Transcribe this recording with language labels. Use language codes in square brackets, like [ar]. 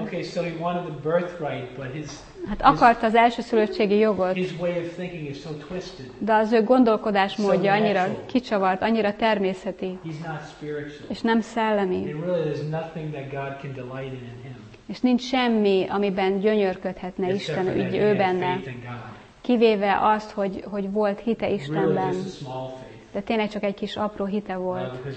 [en] Okay, so he wanted the birthright, but his [hu] hát akart az elsőszülöttségi jogot. [en] His way of thinking is so twisted. [hu] De az ő gondolkodásmódja annyira kicsavart, annyira természeti. [en] He's not spiritual. [hu] És nem szellemi. [en] And really, there's nothing that God can delight in him. [hu] És nincs semmi, amiben gyönyörködhetne Isten ügy ő benne. Kivéve azt, hogy volt hite Istenben. De tényleg csak egy kis apró hite volt.